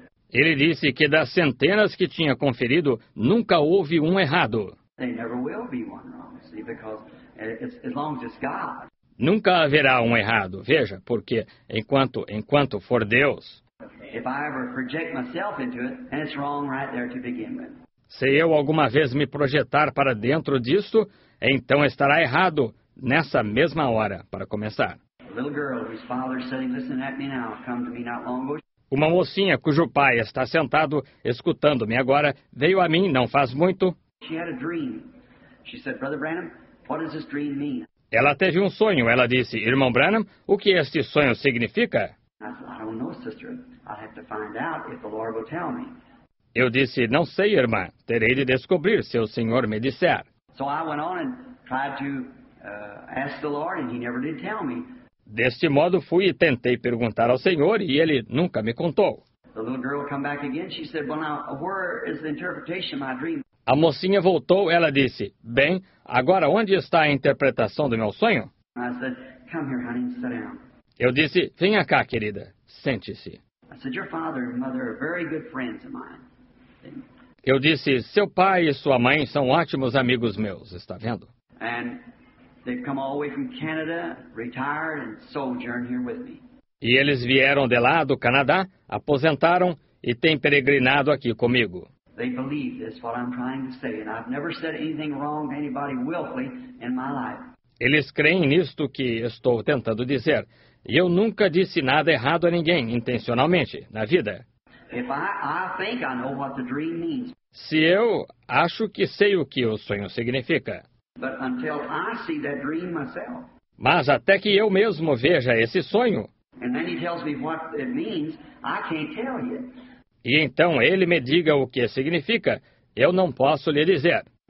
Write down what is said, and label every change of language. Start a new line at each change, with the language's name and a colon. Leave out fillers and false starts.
Portuguese: Ele disse que das centenas que tinha conferido, nunca houve um errado.
English: They never will be one wrong, see, because as long as it's God.
Portuguese: Nunca haverá um errado, veja, porque enquanto for Deus.
English: If I ever project myself into it, then it's wrong right there to begin with.
Portuguese: Se eu alguma vez me projetar para dentro disto, então estará errado nessa mesma hora, para começar.
English: A little girl whose father's sitting listening at me now come to me not long ago.
Portuguese: Uma mocinha cujo pai está sentado escutando-me agora veio a mim não faz muito.
English: She had a dream. She said, Brother Branham, what does this dream mean?
Portuguese: Ela teve um sonho. Ela disse, irmão Branham, o que este sonho significa?
English: I said, I don't know, sister. I'll have to find out if the Lord will tell me.
Portuguese: Eu disse, não sei, irmã. Terei de descobrir se o Senhor me disser.
English: So I went on and tried to ask the Lord, and he never did tell me.
Portuguese: Deste modo, fui e tentei perguntar ao Senhor, e ele nunca me contou.
English: The little girl came back again. She said, well, now, where is the interpretation of my dream?
Portuguese: A mocinha voltou, ela disse, bem, agora onde está a interpretação do meu sonho?
English: I said, come here, honey, sit down.
Portuguese: Eu disse, venha cá, querida, sente-se.
English: I said, your father and mother are very good friends of mine.
Portuguese: Eu disse, seu pai e sua mãe são ótimos amigos meus, está vendo?
English: And they've come all the way from Canada, retired, and sojourned here with me.
Portuguese: E eles vieram de lá, do Canadá, aposentaram e têm peregrinado aqui comigo.
English: They believe this, what I'm trying to say, and I've never said anything wrong to anybody willfully in my life.
Portuguese: Eles creem nisto que estou tentando dizer. E eu nunca disse nada errado a ninguém, intencionalmente, na vida.
English: If I think I know what the dream means.
Portuguese: Se eu acho que sei o que o sonho significa.
English: But until I see that dream myself.
Portuguese: Mas até que eu mesmo veja esse sonho.
English: And then he tells me what it means, I can't tell you.
Portuguese: E então ele me diga o que significa, eu não posso lhe dizer.